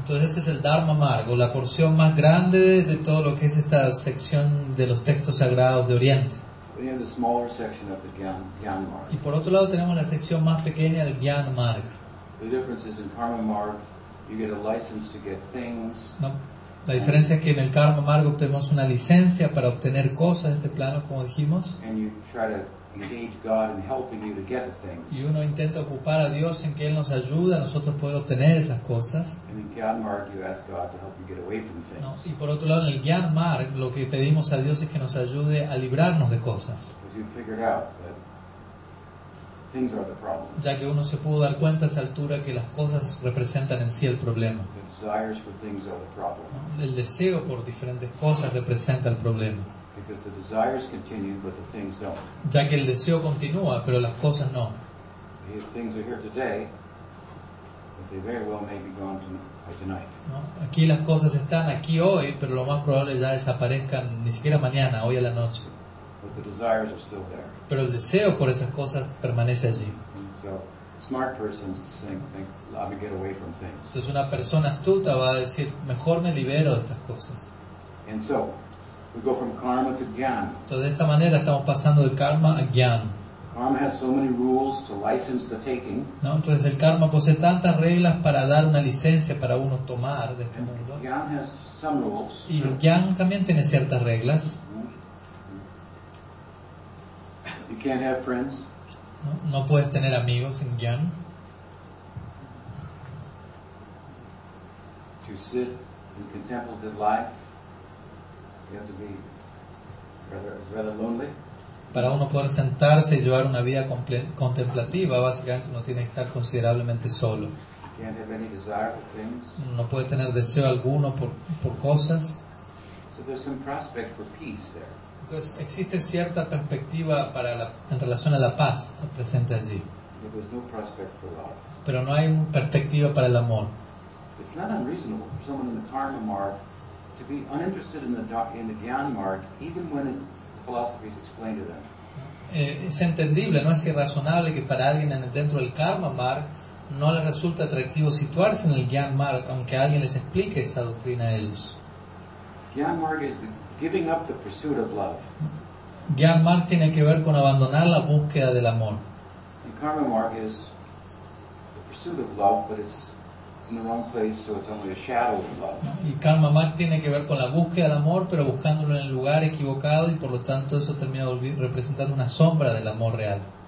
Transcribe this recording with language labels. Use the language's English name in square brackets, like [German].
[Spanish] Entonces este es el Dharma Marga, la porción más grande de todo lo que es esta sección de los textos sagrados de Oriente. [English] We have the smaller section of the Gyan Marga. [Spanish] Y por otro lado tenemos la sección más pequeña del Gyan Marga. [English] The difference is in Karma Marga, you get a license to get things. [Spanish] No, la diferencia es que en el Karma Marga obtenemos una licencia para obtener cosas de este plano, como dijimos. [English] And you try to engage God in helping you to get the things. [Spanish] Y uno intenta ocupar a Dios en que él nos ayuda a nosotros poder obtener esas cosas. [English] And in Gyan Marg, you ask God to help you get away from things. [Spanish] No. Y por otro lado, en el Gyan Marg, lo que pedimos a Dios es que nos ayude a librarnos de cosas. [English] Because you figured out that things are the problem. [Spanish] Ya que uno se pudo dar cuenta a esa altura que las cosas representan en sí el problema. [English] The desires for things are the problem. [Spanish] No. El deseo por diferentes cosas representa el problema. [English] Because the desires continue, but the things don't. [Spanish] Ya que el deseo continúa, pero las cosas no. [English] Things are here today, but they very well may be gone by tonight. [Spanish] No, aquí las cosas están aquí hoy, pero lo más probable ya desaparezcan ni siquiera mañana, hoy a la noche. [English] But the desires are still there. [Spanish] Pero el deseo por esas cosas permanece allí. [English] So, smart persons think, "Let me get away from things." [Spanish] Entonces una persona astuta va a decir, mejor me libero de estas cosas. [English] And so, we go from karma to gyan. [Spanish] Entonces, de esta manera estamos pasando de karma a gyan. [English] Karma has so many rules to license the taking. [Spanish] No, entonces el karma posee tantas reglas para dar una licencia para uno tomar de este [English] and [Spanish] mundo. [English] Gyan has some rules. [Spanish] Y el gyan también tiene ciertas reglas. [English] You can't have friends. [Spanish] No, no puedes tener amigos en gyan. [English] To sit in contemplative life. You have to be rather lonely. [Spanish] Para uno poder sentarse y llevar una vida contemplativa, básicamente uno tiene que estar considerablemente solo. [English] You can't have any desire for things. [Spanish] No puede tener deseo alguno por cosas. [English] So there's some prospect for peace there. [Spanish] Entonces existe cierta perspectiva para en relación a la paz presente allí. [English] But there's no prospect for love. [Spanish] Pero no hay perspectiva para el amor. [English] It's not unreasonable for someone in the karma mark to be uninterested in the Gyan Marg, even when the philosophy is explained to them. [Spanish] Es entendible, no es irrazonable que para alguien dentro del Karma Marg no le resulte atractivo situarse en el Gyan Marg, aunque alguien les explique esa doctrina a ellos. [English] Gyan Marg is the giving up the pursuit of love. [Spanish] Gyan Marg tiene que ver con abandonar la búsqueda del amor. [English] The Karma Marg is the pursuit of love, but it's in the wrong place, so it's only a shadow of love. [Spanish] Y Karma Marg tiene que ver con la búsqueda del amor, pero buscándolo en el lugar equivocado, y por lo tanto eso termina representando una sombra del amor real.